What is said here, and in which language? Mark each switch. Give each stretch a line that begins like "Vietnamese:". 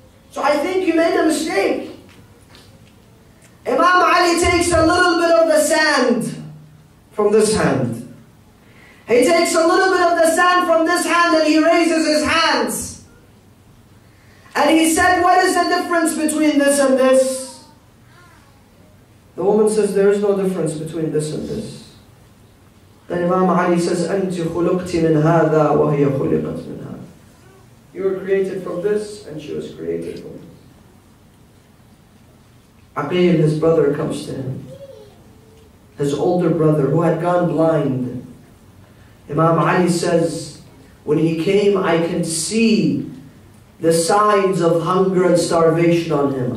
English: So I think you made a mistake." Imam Ali takes a little bit of the sand from this hand. He takes a little bit of the sand from this hand and he raises his hands. And he said, "What is the difference between this and this?" The woman says, "There is no difference between this and this." Then Imam Ali says,
Arabic: "أنتِ خُلُقتِ مِنْ هَذَا وَهِيَ خُلِقَتْ مِنْ هَذَا."
English: You were created from this and she was created from this. Aqil, his brother, comes to him. His older brother who had gone blind. Imam Ali says, "When he came, I can see the signs of hunger and starvation on him.